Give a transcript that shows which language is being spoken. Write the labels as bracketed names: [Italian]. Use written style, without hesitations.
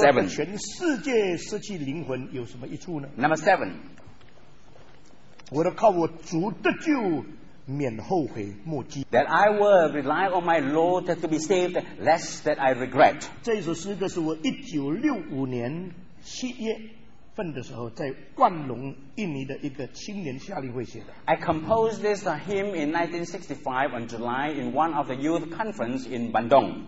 [Chinese] 我若跟全世界失去灵魂有什么益处呢？ [English] Number seven. [Chinese] 我若靠我主得救免后悔莫及。 [English] That I will rely on my Lord to be saved, lest that I regret. [Chinese] 这首诗歌是我1965年七月份的时候在万隆印尼的一个青年夏令会写的。 [English] I composed this hymn in 1965 on July in one of the youth conference in Bandung.